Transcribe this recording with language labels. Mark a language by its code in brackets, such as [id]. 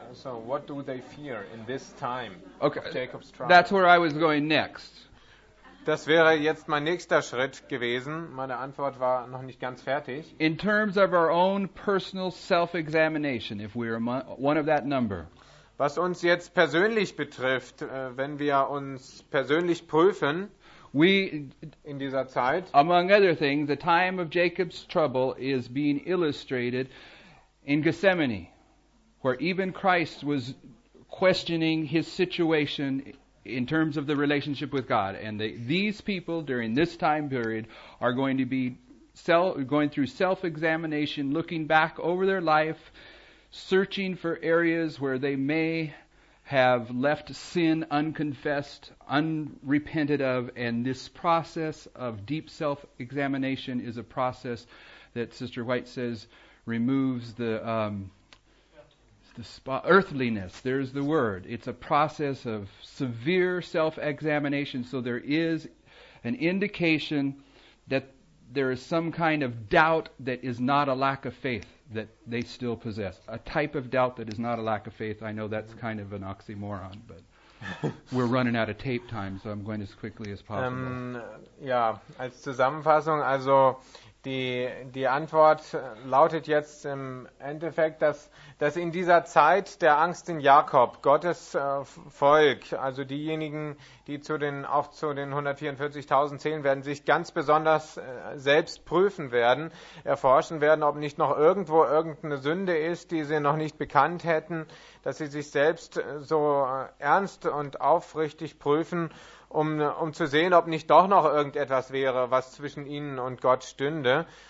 [en] So what do they fear in this time okay. of Jacob's trouble? That's where I was going next. [de] Das wäre jetzt mein nächster Schritt gewesen. Meine Antwort war noch nicht ganz fertig. [en] In terms of our own personal self-examination, if we're one of that number. [de] Was uns jetzt persönlich betrifft, wenn wir uns persönlich prüfen, [en] we, [de] in dieser Zeit, [en] among other things, the time of Jacob's trouble is being illustrated in Gethsemane, where even Christ was questioning his situation in terms of the relationship with God, and these people during this time period are going to be going through self-examination, looking back over their life, searching for areas where they may have left sin unconfessed, unrepented of, and this process of deep self-examination is a process that Sister White says removes the spot, earthliness, there's the word. It's a process of severe self-examination, so there is an indication that there is some kind of doubt that is not a lack of faith that they still possess. A type of doubt that is not a lack of faith. I know that's kind of an oxymoron, but we're running out of tape time, so I'm going as quickly as possible. [de] Ja, als Zusammenfassung, also die Antwort lautet jetzt im Endeffekt, dass in dieser Zeit der Angst in Jakob, Gottes Volk, also diejenigen, die zu den 144.000 zählen, werden sich ganz besonders selbst prüfen werden, erforschen werden, ob nicht noch irgendwo irgendeine Sünde ist, die sie noch nicht bekannt hätten, dass sie sich selbst so ernst und aufrichtig prüfen, um zu sehen, ob nicht doch noch irgendetwas wäre, was zwischen ihnen und Gott stünde.